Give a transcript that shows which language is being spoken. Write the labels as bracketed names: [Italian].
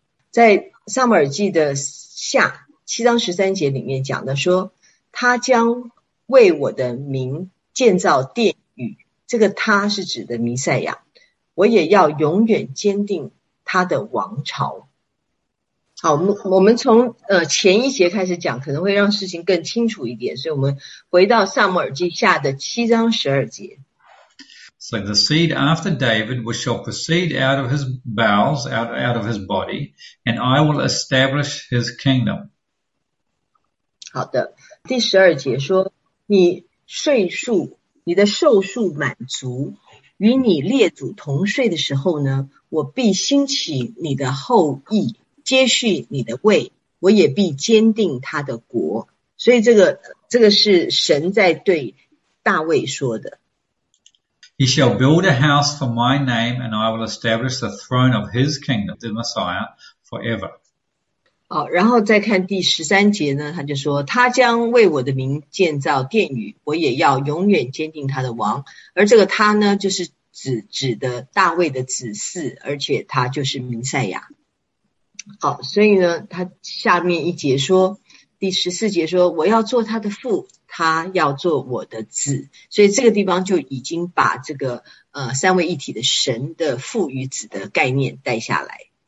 [Chinese] 在撒母耳记的下7:13里面讲的说，他将为我的名建造殿宇，这个他是指的弥赛亚，我也要永远坚定他的王朝。好，我们从前一节开始讲，可能会让事情更清楚一点，所以我们回到撒母耳记下的七章十二节。 [English] So the seed after David which shall proceed out of his bowels, out of his body, and I will establish his kingdom. [Chinese] 好的，第十二节说，你岁数，你的寿数满足，与你列祖同岁的时候呢，我必兴起你的后裔，接续你的位，我也必坚定他的国。所以这个是神在对大卫说的。 [English] He shall build a house for my name, and I will establish the throne of his kingdom, the Messiah, forever. [Chinese] 好，然后再看第十三节呢，他就说，他将为我的名建造殿宇，我也要永远坚定他的王。而这个他呢，就是指的大卫的子嗣，而且他就是弥赛亚。好，所以呢，他下面一节说，第十四节说，我要做他的父，他要做我的子，所以这个地方就已经把这个三位一体的神的父与子的概念带下来。